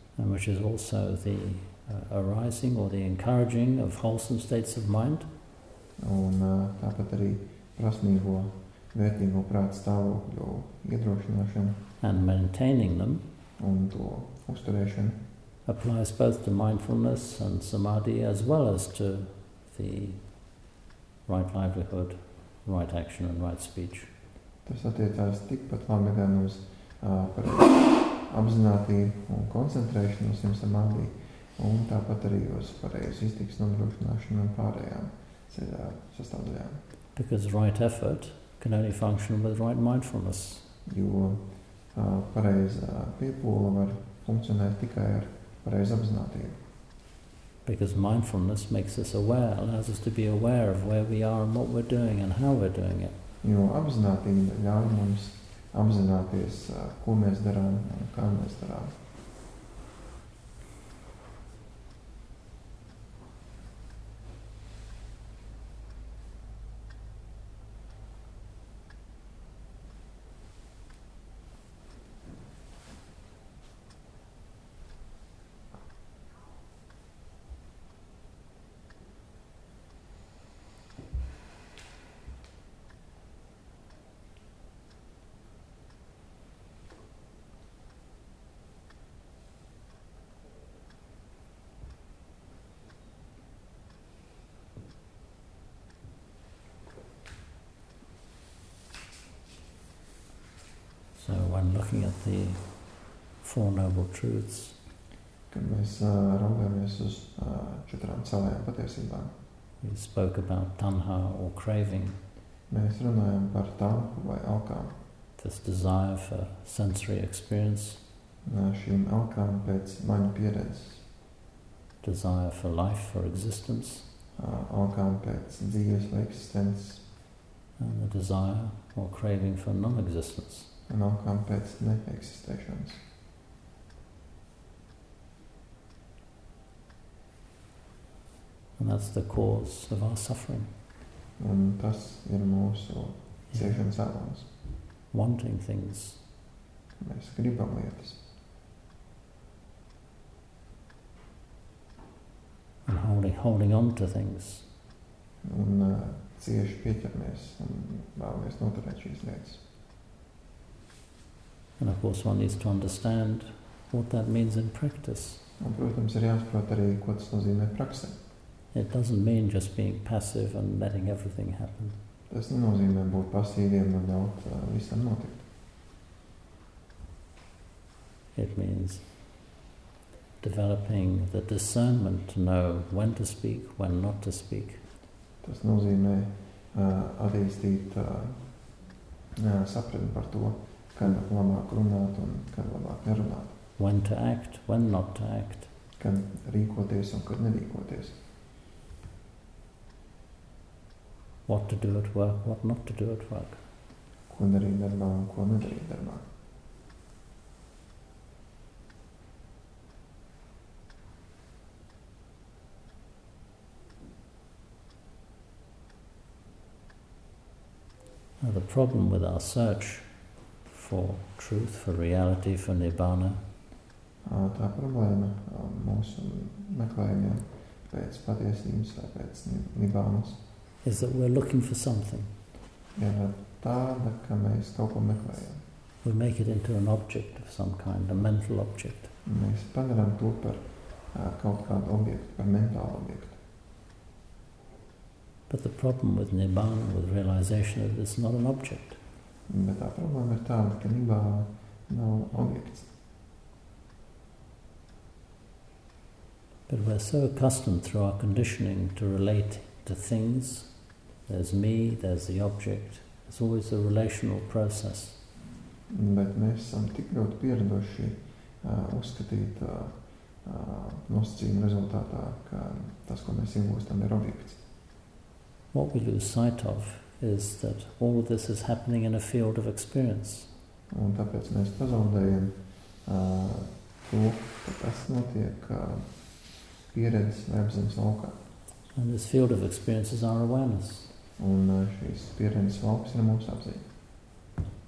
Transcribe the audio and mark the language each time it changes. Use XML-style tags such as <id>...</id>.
<en>And which is also the arising or the encouraging of wholesome states of mind.</en> <lv>Un tāpat arī prasmīgo, vērtīgo prāta stāvokļu iedrošināšana.</lv> <en>And maintaining them.</en> <lv>Un to uzturēšana.</lv> <en>Applies both to mindfulness and samadhi as well as to the right livelihood, right action and right speech.</en> <lv>Tas attiecās tikpat labi gan uz pareizu apzinātību un koncentrēšanos jums samādī, un tāpat arī uz pareizu iztikas nodrošināšanu un pārējām ceļā sastāvdaļām.</lv> <en>Because right effort can only function with right mindfulness.</en> <lv>Jo pareiza piepūle var funkcionēt tikai ar pareizu apzinātību.</lv> <en>Because mindfulness makes us aware, allows us to be aware of where we are and what we're doing and how we're doing it.</en> <lv>Jo apzinātība ļauj mums apzināties, ko mēs darām un kā mēs darām.</lv> <en>Looking at the Four Noble Truths.</en> <lv>Kad mēs raugāmies uz četrām celējām patiesībām.</lv> <en>We spoke about tanhā or craving.</en> <lv>Mēs runājām par tanhu vai alkām.</lv> <en>this desire for sensory experience,</en> <lv>šīm elkām pēc maņu pieredzes,</lv> <en>desire for life, for existence,</en> <lv>elkām pēc dzīves vai eksistences,</lv> <en>and the desire or craving for non-existence,</en> <lv>un elkām pēc neeksistēšanas.</lv> <en>And that's the cause of our suffering.</en> <lv>Un tas ir mūsu ciešanas avans.</lv> <en>Wanting things.</en> <lv>Mēs gribam lietas.</lv> <en>And holding on to things.</en> <lv>Un cieši pieķermies un vēlamies noturēt šīs lietas.</lv> <en>And of course one needs to understand what that means in practice.</en> <lv>Un, protams, ir jāsaprot arī, ko tas nozīmē praksē.</lv> <en>It doesn't mean just being passive and letting everything happen.</en> <lv>Tas nenozīmē būt pasīviem un ļaut visam notikt.</lv> <en>It means developing the discernment to know when to speak, when not to speak.</en> <lv>Tas nozīmē attīstīt sapratni par to, kad labāk runāt un kad labāk nerunāt.</lv> <en>When to act, when not to act.</en> <lv>Kad rīkoties un kad nerīkoties.</lv> <en>What to do at work, what not to do at work.</en> <lv>Ko darīt darbā un ko nedarīt darbā.</lv> <en>Now the problem with our search for truth, for reality, for nirvana.</en> <lv>Tā problēma mūsu meklējumiem pēc patiesības vai pēc nirvānas.</lv> <en>Is that we're looking for something.</en> <lv>Tāda, ka mēs kaut ko meklējam.</lv> <en>We make it into an object of some kind, a mental object.</en> <lv>Mēs padarām to par kaut kādu objektu, par mentālu objektu.</lv> <en>But the problem with nirvana, with realization, is it's not an object.</en> <lv>Bet tā problēma ir tāda, ka nirvana nav objekts.</lv> <en>But we're so accustomed through our conditioning to relate to things. There's me, there's the object. It's always a relational process.</en> <lv>Bet mēs esam tik ļoti pieraduši uzskatīt nosacījumu rezultātā, ka tas, ko mēs iegūstam, ir objekts.</lv> <en>What we lose sight of is that all of this is happening in a field of experience.</en> <lv>Un tāpēc mēs pazaudējam to, ka tas notiek pieredzes vai apziņas laukā.</lv> <en>And this field of experience is our awareness.</en> <lv>Un šīs pieredzes lauks ir mūsu apziņa.</lv>